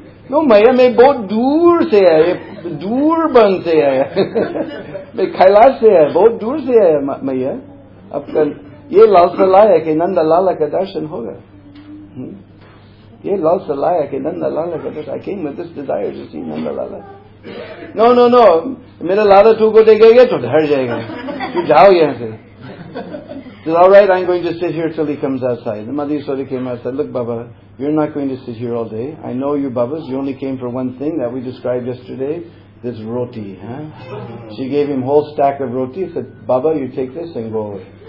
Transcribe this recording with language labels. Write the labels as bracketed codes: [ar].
[hi] No, मैया, मैं बहुत दूर से आया, दूर बन से आया। मैं कैलाश से आया, बहुत दूर से आया, मैया। आपका ये लालसा लाया के नन्द लाला का दर्शन होगा। ये लालसा लाया के नन्द लाला का दर्शन। [en] I came with this desire to see Nanda Lala. No. [hi] मेरा लाला तु को देखेगा तो डर जायेगा। तू जाओ यहाँ से। [en] Said, all right, I'm going to sit here till he comes outside. The Mother Yasoda came out and said, look, Baba, you're not going to sit here all day. I know you, Babas. You only came for one thing that we described yesterday, this roti. Huh? She gave him a whole stack of roti. Said, Baba, you take this and go away.